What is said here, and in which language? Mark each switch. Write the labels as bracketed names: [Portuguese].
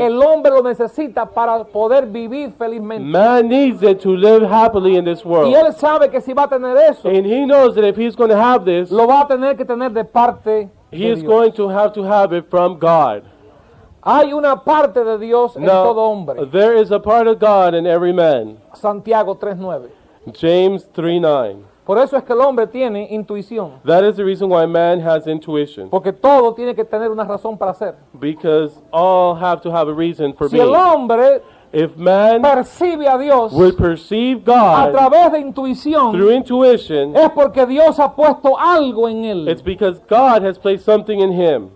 [Spanish] El hombre lo necesita para poder vivir felizmente. [English] Man needs it to live happily in this world. [Spanish] Y él sabe que si va a tener eso. [English] And he knows that if he's going to have this. [Spanish] Lo va a tener que tener de parte de Dios. [English] He is going to have it from God. [Spanish] Hay una parte de Dios en [English] Now, [Spanish] todo hombre. [English] There is a part of God in every man. [Spanish] Santiago 3:9. [English] James 3:9. [Spanish] Por eso es que el hombre tiene intuición. [English] That is the reason why man has intuition. [Spanish] Porque todo tiene que tener una razón para ser. [English] Because all have to have a reason for [Spanish] si [English] being. [Spanish] Si el hombre [English] If man [Spanish] percibe a Dios [English] will perceive God [Spanish] a través de intuición, [English] through intuition, [Spanish] es porque Dios ha puesto algo en él. [English] It's because God has placed something in him.